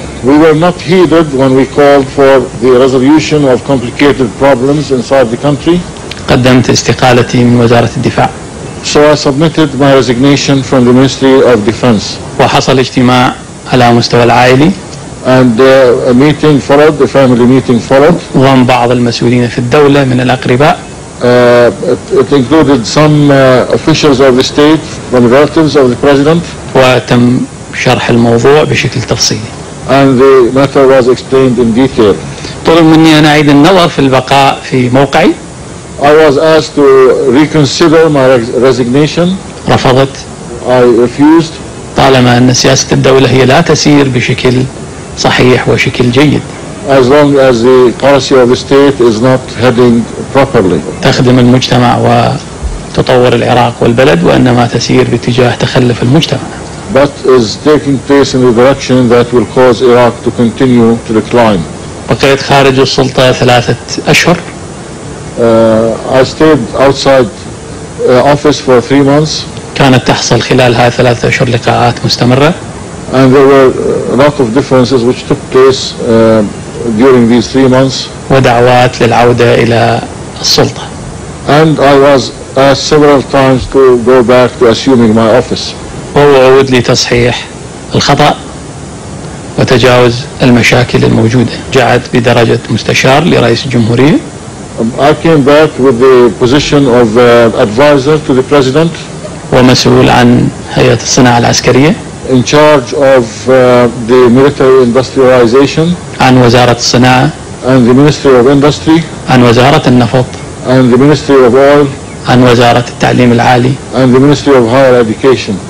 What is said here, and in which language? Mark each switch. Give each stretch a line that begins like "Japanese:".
English: We were not heeded when we called for the resolution of complicated problems inside the country.
Arabic: قدمت استقالتي من وزارة الدفاع.
English: So I submitted my resignation from the Ministry of Defense.
Arabic: وحصل اجتماع على مستوى العائلي.
English: And a meeting followed, the family meeting followed.
Arabic: ضم بعض المسؤولين في الدولة من الأقرباء.
English: It included some officials of the state, some relatives of the president.
Arabic: وتم شرح الموضوع بشكل تفصيلي.
English: And the matter was explained in detail.
Arabic: طلب مني أن أعيد النظر في البقاء في موقعي.
English: I was asked to reconsider my resignation.
Arabic: رفضت.
English: I refused.
Arabic: طالما أن سياسة الدولة هي لا تسير بشكل صحيح وشكل جيد.
English: As long as the policy of the state is not heading properly.
Arabic: تخدم المجتمع وتطور العراق والبلد وإنما تسير باتجاه تخلف المجتمع.
English: But is taking place in a direction that will cause Iraq to continue to decline.
Arabic: بقيت خارج السلطة 3 أشهر.
English: I stayed outside office for 3 months.
Arabic: كانت تحصل خلالها 3 أشهر لقاءات مستمرة.
English: And there were a lot of differences which took place during these 3 months.
Arabic: ودعوات للعودة إلى السلطة.
English: And I was asked several times to go back to assuming my office.
Arabic: وهو يود لي تصحيح الخطأ وتجاوز المشاكل الموجودة. جاءت بدرجة مستشار لرئيس الجمهورية.
English: I came back with the position of advisor to the president.
Arabic: ومسؤول عن هيئة الصناعة العسكرية.
English: In charge of the military industrialization.
Arabic: عن وزارة الصناعة.
English: And the ministry of industry.
Arabic: عن وزارة النفط.
English: And the ministry of oil.
Arabic: عن وزارة التعليم العالي.
English: And the ministry of higher education.